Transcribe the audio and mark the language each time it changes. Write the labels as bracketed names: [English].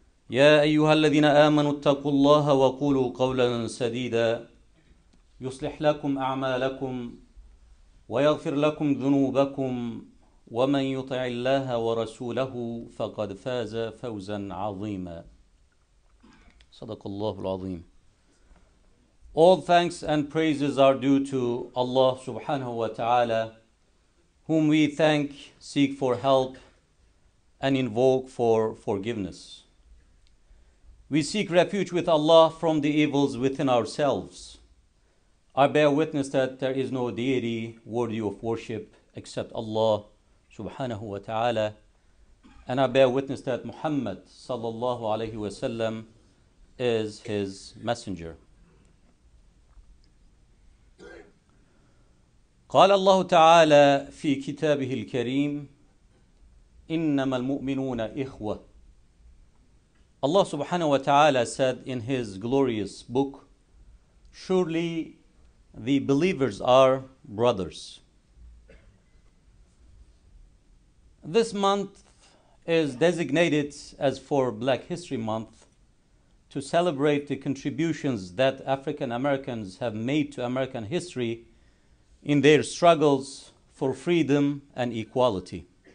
[Arabic] يا أيها الذين آمنوا اتقوا الله وقولوا قولا سديدا يصلح لكم أعمالكم ويغفر لكم ذنوبكم ومن يطع الله ورسوله فقد فاز فوزا عظيما. صدق الله العظيم. [English] All thanks and praises are due to Allah subhanahu wa ta'ala, whom we thank, seek for help, and invoke for forgiveness. We seek refuge with Allah from the evils within ourselves. I bear witness that there is no deity worthy of worship except Allah subhanahu wa ta'ala. And I bear witness that Muhammad sallallahu alayhi wa sallam is his messenger. [Arabic] قال الله تعالى في كتابه الكريم إنما المؤمنون إخوة. [English] Allah subhanahu wa ta'ala said in his glorious book, surely the believers are brothers. This month is designated as for Black History Month to celebrate the contributions that African Americans have made to American history in their struggles for freedom and equality.